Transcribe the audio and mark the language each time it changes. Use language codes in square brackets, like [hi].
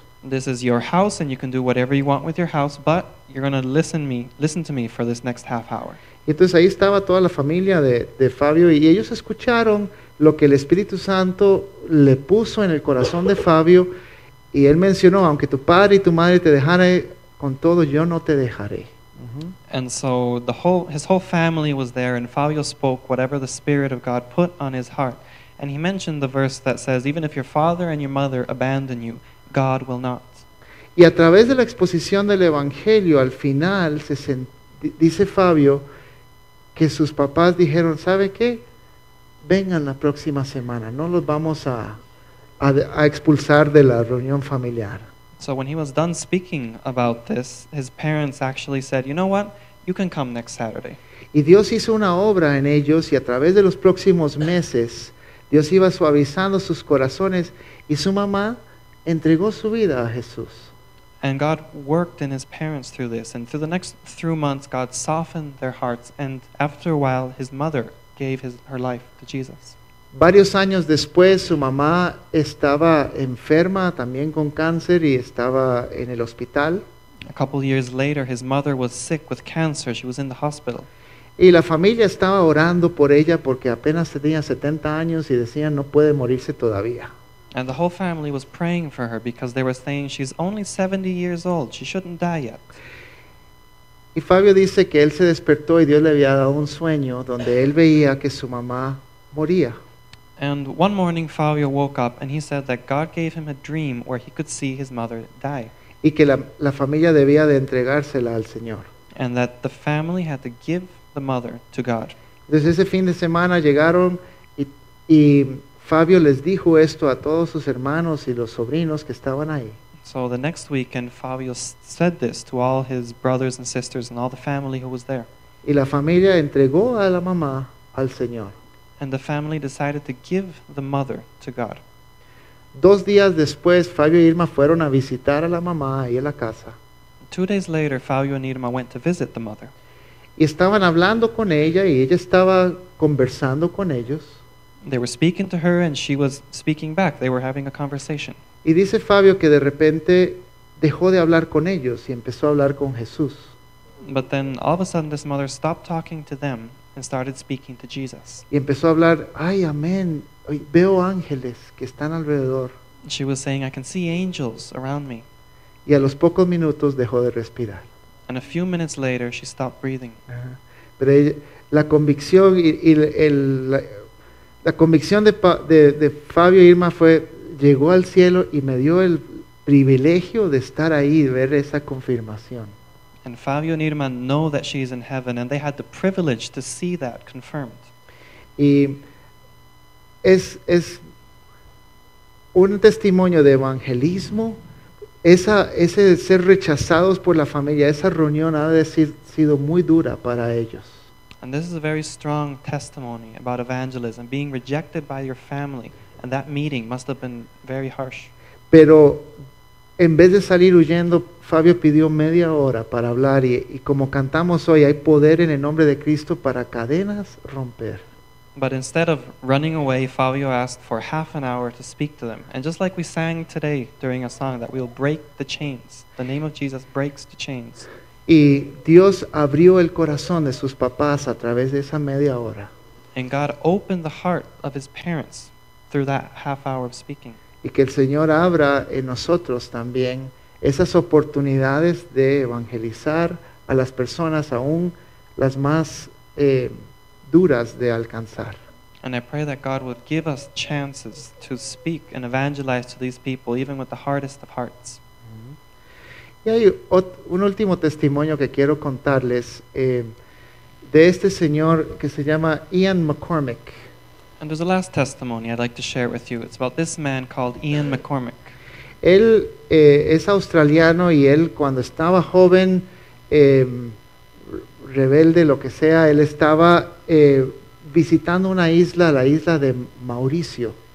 [en] This is your house and you can do whatever you want with your house, but you're going to listen to me for this next half hour. [es] Entonces ahí estaba toda la familia de Fabio y ellos escucharon lo que el Espíritu Santo le puso en el corazón de Fabio. Y él mencionó, aunque tu padre y tu madre te dejaré, con todo yo no te dejaré. [en] And so the whole, his whole family was there, and Fabio spoke whatever the Spirit of God put on his heart. And he mentioned the verse that says, even if your father and your mother abandon you, God will not. [es] Y a través de la exposición del Evangelio, al final, dice Fabio que sus papás dijeron, ¿sabe qué? Vengan la próxima semana, no los vamos a expulsar de la reunión familiar. [en] So when he was done speaking about this, his parents actually said, you know what, you can come next Saturday. [es] Y Dios hizo una obra en ellos y a través de los próximos meses, Dios iba suavizando sus corazones y su mamá entregó su vida a Jesús. [en] And God worked in his parents through this, and through the next 3 months, God softened their hearts, and after a while, his mother gave her life to Jesus. [es] Varios años después, su mamá estaba enferma, también con cáncer, y estaba en el hospital. [en] A couple years later, his mother was sick with cancer. She was in the hospital. [es] Y la familia estaba orando por ella porque apenas tenía 70 años y decían, no puede morirse todavía. [en] And the whole family was praying for her because they were saying, she's only 70 years old. She shouldn't die yet. [es] Y Fabio dice que él se despertó y Dios le había dado un sueño donde él veía que su mamá moría. [en] And one morning Fabio woke up and he said that God gave him a dream where he could see his mother die. [es] Y que la familia debía de entregársela al Señor. [en] And that the family had to give the mother to God. [es] Entonces ese fin de semana llegaron y Fabio les dijo esto a todos sus hermanos y los sobrinos que estaban ahí. [en] So the next weekend Fabio said this to all his brothers and sisters and all the family who was there. [es] Y la familia entregó a la mamá al Señor. [en] And the family decided to give the mother to God. [es] 2 días después, Fabio e Irma fueron a visitar a la mamá y a la casa. [en] 2 days later, Fabio and Irma went to visit the mother. [es] Y estaban hablando con ella y ella estaba conversando con ellos. [en] They were speaking to her and she was speaking back. They were having a conversation. [es] Y dice Fabio que de repente dejó de hablar con ellos y empezó a hablar con Jesús. [en] But then all of a sudden this mother stopped talking to them and started speaking to Jesus. [es] Y empezó a hablar, ay, amén, veo ángeles que están alrededor. [en] She was saying, I can see angels around me. [es] Y a los pocos minutos dejó de respirar. [en] And a few minutes later, she stopped breathing. [es] Pero la convicción la convicción de Fabio Irma fue, llegó al cielo y me dio el privilegio de estar ahí y ver esa confirmación. [en] And Fabio and Irma know that she is in heaven, and they had the privilege to see that confirmed. [es] Y es un testimonio de evangelismo. Ese ser rechazados por la familia, esa reunión ha de ser sido muy dura para ellos. [en] And this is a very strong testimony about evangelism, being rejected by your family, and that meeting must have been very harsh. [es] Pero en vez de salir huyendo, Fabio pidió media hora para hablar y como cantamos hoy, hay poder en el nombre de Cristo para cadenas romper. [en] But instead of running away, Fabio asked for half an hour to speak to them. And just like we sang today during a song, that we'll break the chains. The name of Jesus breaks the chains. [es] Y Dios abrió el corazón de sus papás a través de esa media hora. [en] And God opened the heart of his parents through that half hour of speaking. [es] Y que el Señor abra en nosotros también esas oportunidades de evangelizar a las personas, aún las más duras de alcanzar. [en] And I pray that God would give us chances to speak and evangelize to these people, even with the hardest of hearts. [es] Y hay un último testimonio que quiero contarles de este señor que se llama Ian McCormick. [en] And there's a last testimony I'd like to share with you. It's about this man called Ian McCormick. [es] Él es australiano y él cuando estaba joven, rebelde, lo que sea, él estaba visitando una isla, la isla de Mauricio.